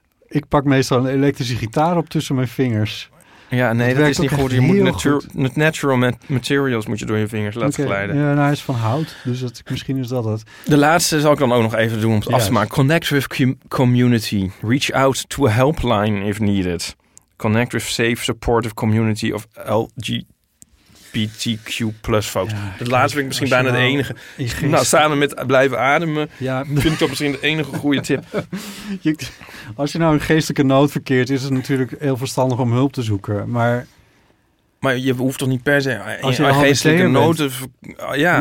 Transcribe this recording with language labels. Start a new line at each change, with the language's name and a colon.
Dutch: Ik pak meestal een elektrische gitaar op tussen mijn vingers. Ja, nee, dat is niet goed. Je moet
English: natural materials
Dutch: moet je door je vingers laten glijden. Ja, nou, hij is van hout, dus misschien is dat het. De laatste zal ik dan ook nog even doen om het af te maken.
English: Connect with community. Reach out to a helpline if needed. Connect with safe, supportive community of LGBTQ plus folks.
Dutch: Ja, de laatste vind ik misschien bijna de enige. Nou, samen met blijven ademen, vind ik toch misschien de enige goede tip. Als je nou in geestelijke nood verkeert, is het natuurlijk heel verstandig om hulp te zoeken. Maar je hoeft toch niet per se in geestelijke nood te ja.